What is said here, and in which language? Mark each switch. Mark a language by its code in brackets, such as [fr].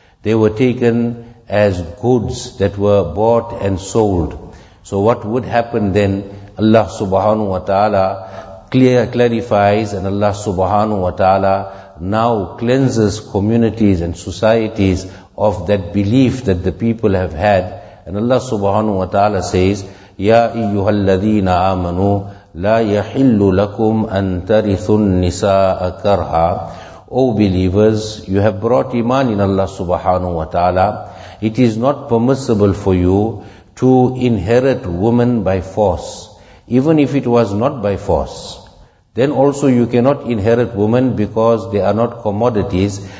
[en] They were taken as goods that were bought and sold. So what would happen then? Allah subhanahu wa ta'ala clarifies, and Allah subhanahu wa ta'ala now cleanses communities and societies of that belief that the people have had. And Allah subhanahu wa ta'ala says, [ar] يَا أَيُّهَا الَّذِينَ آمَنُوا لَا يَحِلُّ لَكُمْ أَن تَرِثُ النِّسَاءَ كَرْهًا. [en] O believers, you have brought iman in Allah subhanahu wa ta'ala. It is not permissible for you to inherit women by force. Even if it was not by force, then also you cannot inherit women because they are not commodities.